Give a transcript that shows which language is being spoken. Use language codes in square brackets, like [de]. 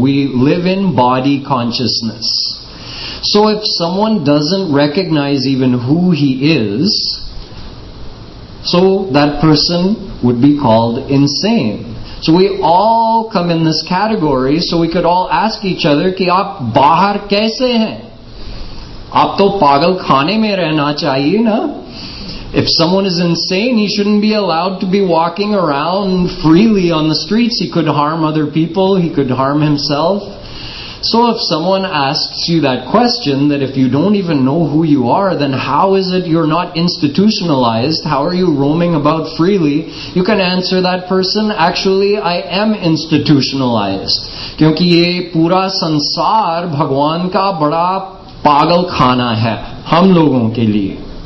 [en] We live in body consciousness. So if someone doesn't recognize even who he is, so that person would be called insane. So we all come in this category, so we could all ask each other, [hi] कि आप बाहर कैसे हैं? आप तो पागल खाने में रहना चाहिए ना? [en] If someone is insane, he shouldn't be allowed to be walking around freely on the streets. He could harm other people. He could harm himself. So if someone asks you that question, that if you don't even know who you are, then how is it you're not institutionalized? How are you roaming about freely? You can answer that person, actually, I am institutionalized. [hi] क्योंकि ये पूरा संसार भगवान का बड़ा पागल खाना है हम लोगों के लिए।